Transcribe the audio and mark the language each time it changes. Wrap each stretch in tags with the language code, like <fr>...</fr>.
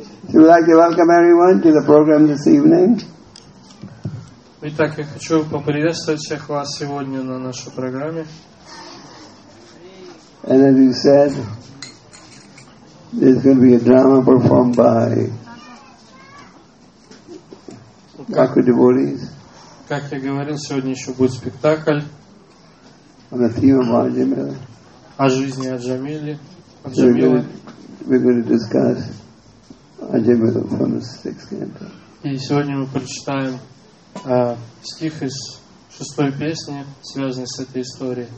<en>So we'd like to welcome everyone to the program this evening.</en> <ru>Итак, я хочу поприветствовать всех вас сегодня на нашей программе.</ru> <en>And as you said, there's going to be a drama performed by Gaku devotees.</en> <ru>Как я говорил, сегодня еще будет спектакль.</ru> <en>On the theme of Аджамили.</en> <ru>О жизни Аджамили.</ru> <en>We're going to discuss Аджамили from the sixth canto.</en> <ru>И сегодня мы прочитаем стих из шестой песни, связанный с этой историей.</ru>